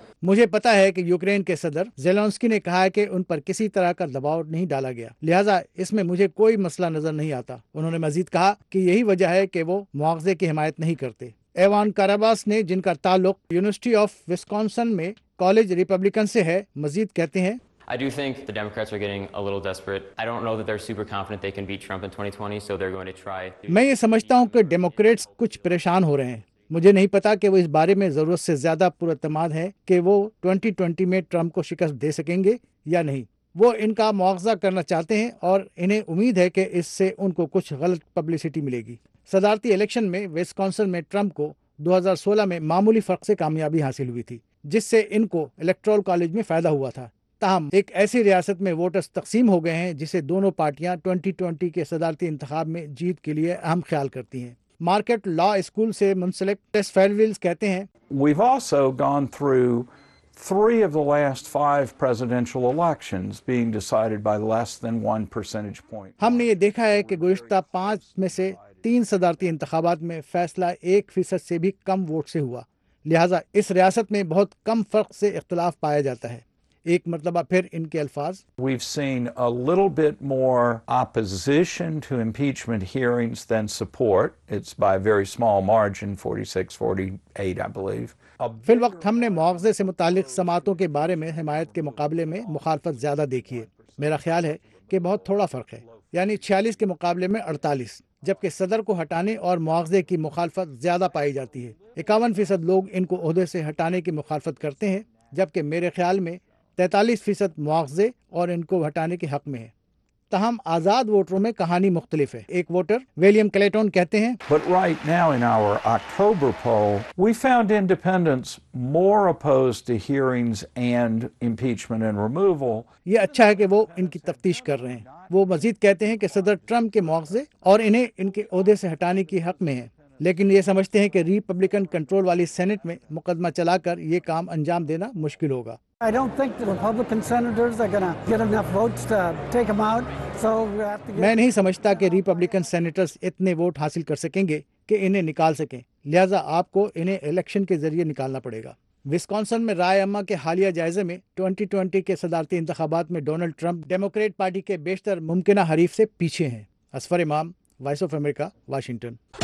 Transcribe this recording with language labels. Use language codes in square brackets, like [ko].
[ur] مجھے پتا ہے کہ یوکرین کے صدر زیلنسکی نے کہا ہے کہ ان پر کسی طرح کا دباؤ نہیں ڈالا گیا، لہذا اس میں مجھے کوئی مسئلہ نظر نہیں آتا۔ انہوں نے مزید کہا کہ یہی وجہ ہے کہ وہ مواخذے کی حمایت نہیں کرتے۔ ایوان کاراباس نے، جن کا تعلق یونیورسٹی آف وسکانسن میں کالج ریپبلکن سے ہے، مزید کہتے ہیں [en] I do think the Democrats are getting a little desperate. I don't know that they're super confident they can beat Trump in 2020, so they're going to try. [ur] میں یہ سمجھتا ہوں کہ ڈیموکریٹس کچھ پریشان ہو رہے ہیں۔ مجھے نہیں پتا کہ وہ اس بارے میں ضرورت سے زیادہ پراعتماد ہے کہ وہ 2020 میں ٹرمپ کو شکست دے سکیں گے یا نہیں۔ وہ ان کا مواخذہ کرنا چاہتے ہیں اور انہیں امید ہے کہ اس سے ان کو کچھ غلط پبلسٹی ملے گی۔ صدارتی الیکشن میں وسکانسن میں ٹرمپ کو 2016 میں معمولی فرق سے کامیابی حاصل ہوئی تھی، جس سے ان کو الیکٹرال کالج میں فائدہ ہوا تھا۔ تاہم ایک ایسی ریاست میں ووٹرز تقسیم ہو گئے ہیں جسے دونوں پارٹیاں 2020 کے صدارتی انتخاب میں جیت کے لیے اہم خیال کرتی ہیں۔ مارکیٹ لا اسکول سے منسلک ٹیس فیلویلز کہتے ہیں [en] We've also gone through three of the last five presidential elections being decided by less than 1 percentage point. [ur] ہم نے یہ دیکھا ہے کہ گزشتہ 5 میں سے 3 صدارتی انتخابات میں فیصلہ 1% سے بھی کم ووٹ سے ہوا، لہذا اس ریاست میں بہت کم فرق سے اختلاف پایا جاتا ہے۔ ایک مرتبہ پھر ان کے الفاظ [en] We've seen a little bit more opposition to impeachment hearings than support. It's by a very small margin, 46-48, I believe. [ur] فی الوقت ہم نے مواخذے سے متعلق سماعتوں کے بارے میں حمایت کے مقابلے میں مخالفت زیادہ دیکھی ہے۔ میرا خیال ہے کہ بہت تھوڑا فرق ہے، یعنی 46 کے مقابلے میں 48، جبکہ صدر کو ہٹانے اور مواخذے کی مخالفت زیادہ پائی جاتی ہے۔ 51% لوگ ان کو عہدے سے ہٹانے کی مخالفت کرتے ہیں، جبکہ میرے خیال میں 43% مواخذے اور ان کو ہٹانے کے حق میں ہیں۔ تاہم آزاد ووٹروں میں کہانی مختلف ہے۔ ایک ووٹر ویلیم کلیٹون کہتے ہیں [en] But right now in our October poll, we found independents more opposed to hearings and impeachment and removal. [ur] یہ اچھا ہے کہ وہ ان کی تفتیش کر رہے ہیں۔ وہ مزید کہتے ہیں کہ صدر ٹرمپ کے مواخذے اور انہیں ان کے عہدے سے ہٹانے کی حق میں ہیں، لیکن یہ سمجھتے ہیں کہ ریپبلکن کنٹرول والی سینٹ میں مقدمہ چلا کر یہ کام انجام دینا مشکل ہوگا۔ [en] I don't think the Republican senators are going to get enough votes to take him out, so we have to get [ur] میں نہیں سمجھتا کہ ریپبلکن سینیٹرز اتنے ووٹ حاصل کر سکیں گے کہ انہیں نکال سکیں، لہذا آپ کو انہیں الیکشن کے ذریعے نکالنا پڑے گا۔ وسکانسن میں رائے عامہ کے حالیہ جائزے میں 2020 کے صدارتی انتخابات میں ڈونلڈ ٹرمپ ڈیموکریٹ پارٹی کے بیشتر ممکنہ حریف سے پیچھے ہیں۔ اسفر امام، وائس آف امریکہ، واشنگٹن۔